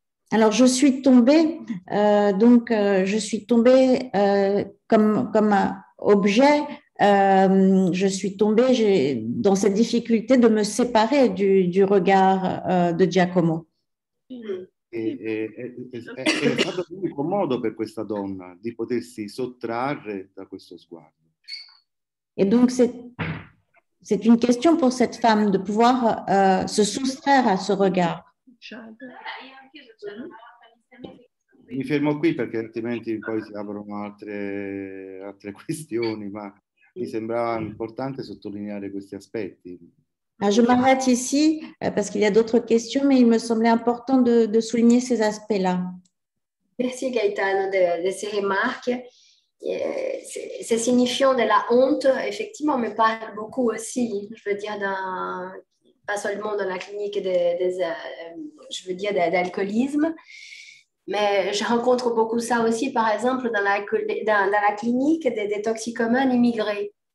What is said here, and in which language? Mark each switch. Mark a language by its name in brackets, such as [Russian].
[French] Alors je suis tombée je suis tombée comme objet. Je suis tombée dans cette difficulté de me séparer du regard de Giacomo. [Italian] È stato l'unico modo per questa donna di potersi sottrarre da questo sguardo. [French] Et donc c'est une question pour cette femme de pouvoir se soustraire à ce regard. [Italian] Mi fermo qui perché altrimenti poi si aprono altre questioni, ma mi sembrava importante sottolineare questi aspetti. [French] Ah, je m'arrête ici parce qu'il y a d'autres questions, mais il me semblait important de souligner ces aspects-là. Merci Gaetano de ces remarques. C'est signifiant de la honte, effectivement, me parle beaucoup aussi, je veux dire, pas seulement dans la clinique d'alcoolisme, mais je rencontre beaucoup ça aussi, par exemple, dans la clinique des toxicomanes immigrés.